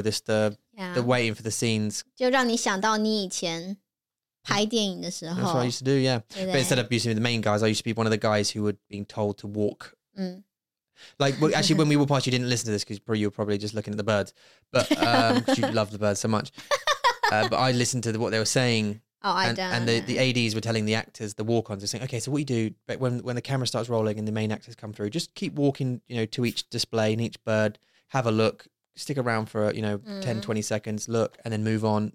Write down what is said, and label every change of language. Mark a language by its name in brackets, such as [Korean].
[English] This the、yeah. the waiting for the scenes [Chinese] 就让你想到你以前拍电影的时候。 [English] That's what I used to do. Yeah， but instead of using the main guys, I used to be one of the guys who were being told to walk. 嗯。 Like, well, actually, when we were past, you didn't listen to this because you were probably just looking at the birds. But because you love the birds so much. But I listened to what they were saying. Oh, I don't. And the ADs were telling the actors, the walk-ons, they're saying, okay, so what you do, but when the camera starts rolling and the main actors come through, just keep walking, you know, to each display and each bird, have a look, stick around for, you know, 10, 20 seconds, look, and then move on.